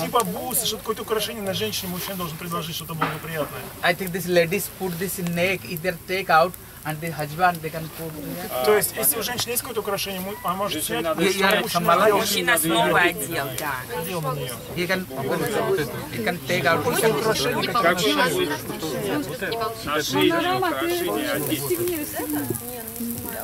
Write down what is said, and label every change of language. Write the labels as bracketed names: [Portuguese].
[Russian] типа бусы, что-то какое-то украшение на женщине, мужчина должен предложить что-то благоприятное. [English] I think these ladies put this neck, either take out, and the husband, they can put... [Russian] То есть, если у женщины есть какое-то украшение, она может снять... Мужчина снова одел, да. [English] He can take out... [Russian] Какое украшение? Как украшение? Вот это. Ошейник, украшение,